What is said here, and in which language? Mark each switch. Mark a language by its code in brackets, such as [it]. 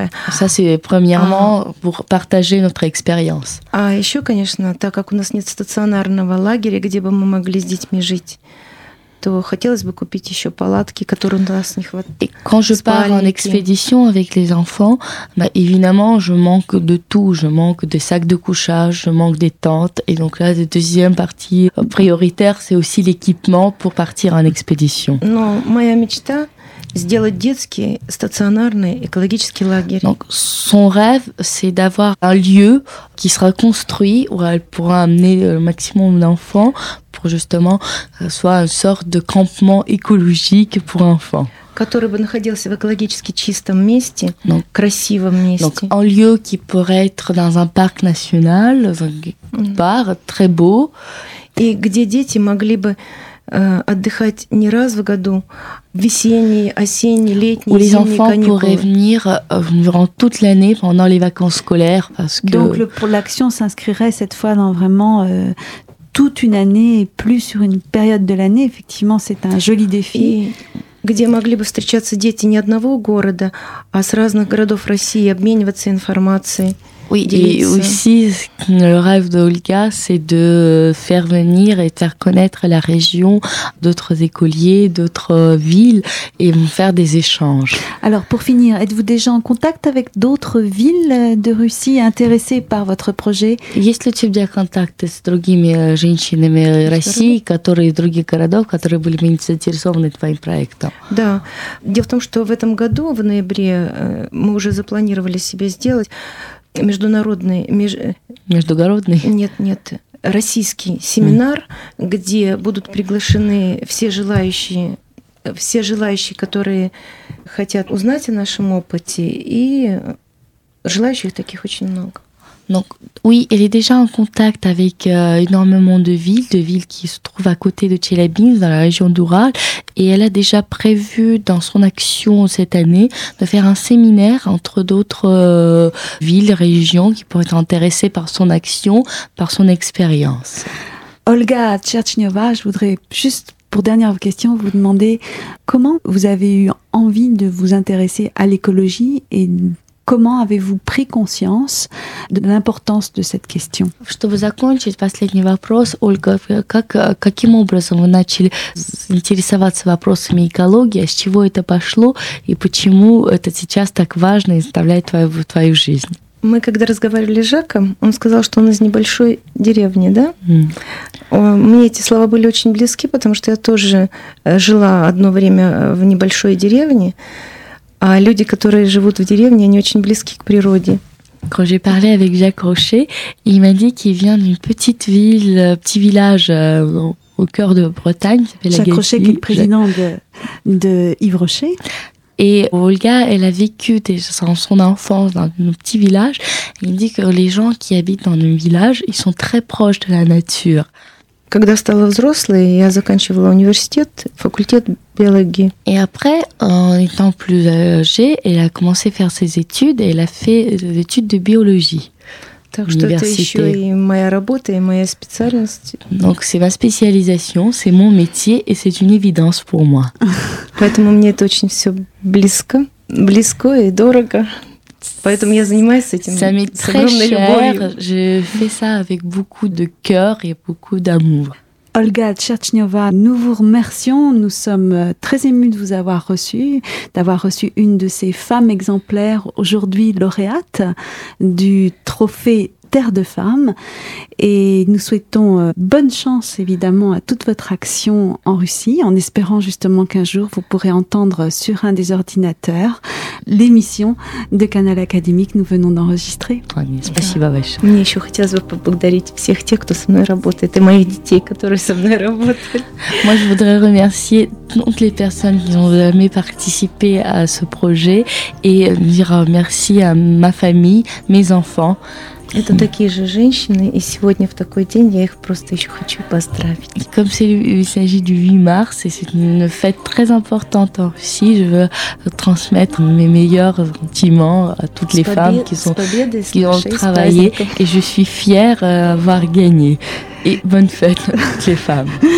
[fr] Ça, c'est premièrement pour partager notre expérience. [ru] Ah, еще, конечно, так как у нас нет стационарного лагеря, где бы мы могли с детьми жить, то хотелось бы купить еще палатки, которые у нас не хватает. [fr] Et quand je pars en expédition avec les enfants, bah, évidemment, je manque de tout. Je manque des sacs de couchage, je manque des tentes. Et donc là, la deuxième partie prioritaire, c'est aussi l'équipement pour partir en expédition. [ru] Non, моя мечта... сделать детский стационарный экологический лагерь. [fr] Donc, son rêve, c'est d'avoir un lieu qui sera construit où elle pourra amener le maximum d'enfants pour justement que ce soit une sorte de campement écologique pour enfants. [ru] Который бы находился в экологически чистом месте, donc, красивом месте. [fr] Donc, un lieu qui pourrait être dans un parc national, parc très beau. [ru] И где дети могли бы отдыхать не раз в году, весенние, осенние, летние, [fr] où les enfants pourraient venir durant toute l'année pendant les vacances scolaires parce que donc pour l'action s'inscrirait cette fois dans vraiment toute une année et plus sur une période de l'année, effectivement c'est un joli défi. Et... [ru] где могли бы встречаться дети не одного города, а с разных городов России, обмениваться информацией. [fr] Oui, et aussi, le rêve d'Olga, c'est de faire venir et faire connaître la région, d'autres écoliers, d'autres villes, et faire des échanges. Alors, pour finir, êtes-vous déjà en contact avec d'autres villes de Russie intéressées par votre projet? [ru] Есть ли у тебя контакт с другими женщинами России, которые из других городов, которые были бы заинтересованы твоим проектом? Да. Дело в том, что в этом году, в ноябре, мы уже запланировали себе сделать... Междугородный? Нет, российский семинар, где будут приглашены все желающие, которые хотят узнать о нашем опыте, и желающих таких очень много. [fr] Donc, oui, elle est déjà en contact avec énormément de villes qui se trouvent à côté de Tchelyabinsk, dans la région d'Oural. Et elle a déjà prévu dans son action cette année de faire un séminaire entre d'autres villes, régions qui pourraient être intéressées par son action, par son expérience. Olga Tcherchnyova, je voudrais juste, pour dernière question, vous demander comment vous avez eu envie de vous intéresser à l'écologie et... comment avez-vous pris conscience de l'importance de cette question? [ru] Чтобы закончить последний вопрос, Ольга, каким образом вы начали интересоваться вопросами экологии, с чего это пошло и почему это сейчас так важно и составляет твою жизнь? Мы когда разговаривали с Жаком, он сказал, что он из небольшой деревни, да? Мне эти слова были очень близки, потому что я тоже жила одно время в небольшой деревне. А люди, которые живут в деревне, они очень близки к природе. [fr] Quand j'ai parlé avec Jacques Rocher, il m'a dit qu'il vient d'une petite ville, petit village au cœur de Bretagne, s'appelle la Gatie. Jacques Rocher, qui est le président de Yves Rocher. Et Olga, elle a vécu dans son enfance dans un petit village. Il dit que les gens qui habitent dans un village, ils sont très proches de la nature. [ru] Когда стала взрослой, я заканчивала университет, факультет биологии. [fr] И après, en étant plus âgée, elle a commencé à faire ses études et elle a fait des études de biologie. [ru] Так что это еще и моя работа, и моя специальность. [fr] Donc c'est ma spécialisation, c'est mon métier et c'est une évidence pour moi. [ru] Поэтому мне это очень все близко, близко и дорого. Поэтому я занимаюсь этим с огромной любовью. [fr] Je fais ça avec beaucoup de cœur et beaucoup d'amour. Olga Tchertchnyova, nous vous remercions. Nous sommes très émus de vous avoir reçu, d'avoir reçu une de ces femmes exemplaires, aujourd'hui lauréate du trophée Terre de Femmes. Et nous souhaitons bonne chance, évidemment, à toute votre action en Russie, en espérant justement qu'un jour, vous pourrez entendre sur un des ordinateurs l'émission de Canal Académie que nous venons d'enregistrer. Merci beaucoup. [ru] Мне еще хотелось бы поблагодарить всех тех, кто со мной работает, и моих детей, которые со мной работают. [fr] Moi, je voudrais remercier toutes les personnes qui ont jamais participé à ce projet et dire merci à ma famille, mes enfants. [ru] Это такие же женщины, и сегодня в такой день я их просто еще хочу поздравить. [fr] Comme c'est, il s'agit du 8 mars, et c'est une fête très importante en Russie. Je veux transmettre mes meilleurs sentiments à toutes les femmes qui ont travaillé, et je suis fière d'avoir gagné. Et bonne fête à toutes les femmes.